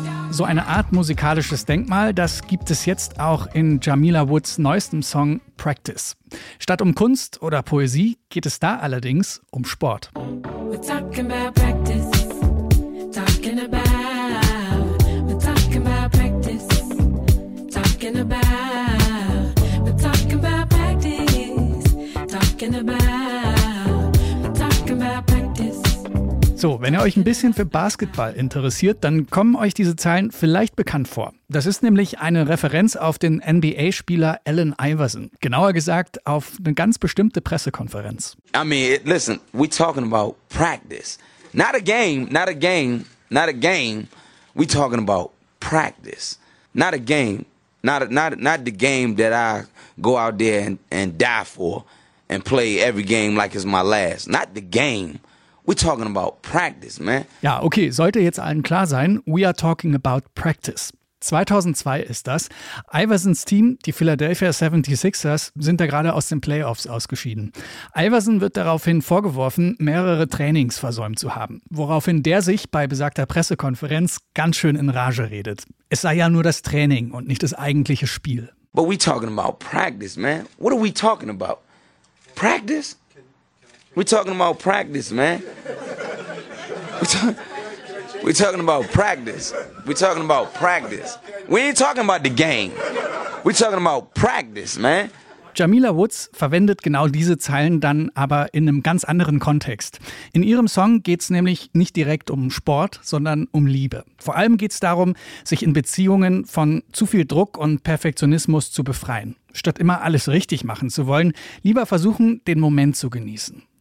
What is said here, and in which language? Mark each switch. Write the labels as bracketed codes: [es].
[de] So eine Art musikalisches Denkmal, das gibt es jetzt auch in Jamila Woods neuestem Song Practice. Statt um Kunst oder Poesie geht es da allerdings um Sport. [en] We're talking about practice, talking about, we're talking about practice, talking about, we're talking about practice, talking about, we're talking about practice. [de] So, wenn ihr euch ein bisschen für Basketball interessiert, dann kommen euch diese Zeilen vielleicht bekannt vor. Das ist nämlich eine Referenz auf den NBA-Spieler Allen Iverson. Genauer gesagt, auf eine ganz bestimmte Pressekonferenz. [en] I mean, listen, we're talking about practice. Not a game, not a game, not a game. We're talking about practice. Not a game, not the game that I go out there and die for and play every game like it's my last. Not the game. We're talking about practice, man. [de] Ja, okay, sollte jetzt allen klar sein, [en] we are talking about practice. [de] 2002 ist das. Iversons Team, die Philadelphia 76ers, sind da gerade aus den Playoffs ausgeschieden. Iverson wird daraufhin vorgeworfen, mehrere Trainings versäumt zu haben. Woraufhin der sich bei besagter Pressekonferenz ganz schön in Rage redet. Es sei ja nur das Training und nicht das eigentliche Spiel. [en] But we're talking about practice, man. What are we talking about? Practice? We're talking about practice, man. We're talking about practice. We're talking about practice. We ain't talking about the game. We're talking about practice, man. [de] Jamila Woods verwendet genau diese Zeilen dann aber in einem ganz anderen Kontext. In ihrem Song geht es nämlich nicht direkt um Sport, sondern um Liebe. Vor allem geht es darum, sich in Beziehungen von zu viel Druck und Perfektionismus zu befreien. Statt immer alles richtig machen zu wollen, lieber versuchen, den Moment zu genießen.